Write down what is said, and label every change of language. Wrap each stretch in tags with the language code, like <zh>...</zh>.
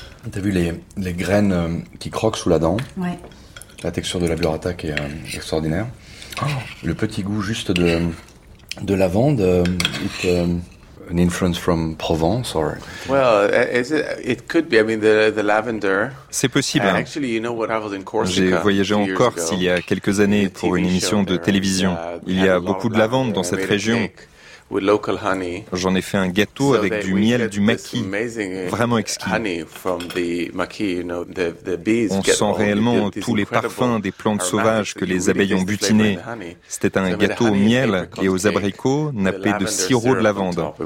<fr>T'as vu les graines qui croquent sous la dent? Ouais. La texture de la burrata qui est extraordinaire. Oh. Le petit goût juste de lavande.</fr> <en>An influence from Provence or... Well, it could be. I mean, the lavender.</en> <fr>C'est possible. Hein.</fr> <en>Actually, you know what? I was in Corsica.</en> <fr>J'ai voyagé en Corse il y a quelques années pour une émission de télévision. Il y a beaucoup de lavande dans cette région.</fr> <en>With local honey.</en> <fr>J'en ai fait un gâteau avec du miel du maquis, vraiment exquis.</fr> <en>Honey from the maquis, you know, the bees.</en> <fr>On sent réellement tous les parfums des plantes sauvages que les abeilles ont butinées. C'était un gâteau au miel et aux abricots nappé de sirop de lavande.</fr>